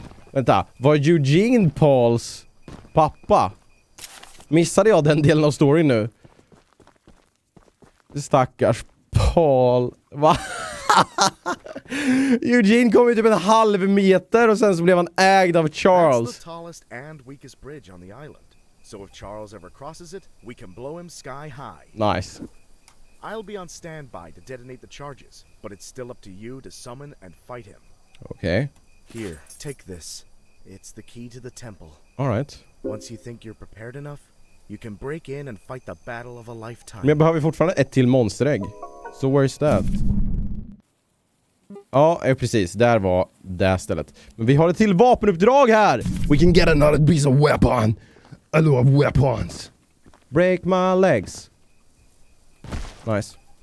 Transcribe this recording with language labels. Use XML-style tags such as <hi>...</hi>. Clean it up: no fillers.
<sv>Vänta, var Eugene Pauls pappa? Missade jag den delen av storyn nu? Stackars Paul. Va? Eugene kom ju typ en halv meter och sen så blev han ägd av Charles.</sv> <en>That's the tallest and weakest bridge on the island. So if Charles ever crosses it, we can blow him sky high. Nice. I'll be on standby to detonate the charges, but it's still up to you to summon and fight him. Okay. Here, take this. It's the key to the temple. All right. Once you think you're prepared enough, You can break in and fight the battle of a lifetime.</en> <sv>Men jag behöver fortfarande ett till monsterägg.</sv> <en>So where's that?</en> <sv>Ja, precis. Där var det stället. Men vi har ett till vapenuppdrag här.</sv> <en>We can get another piece of weapon. I love weapons. Break my legs. Nice.</en>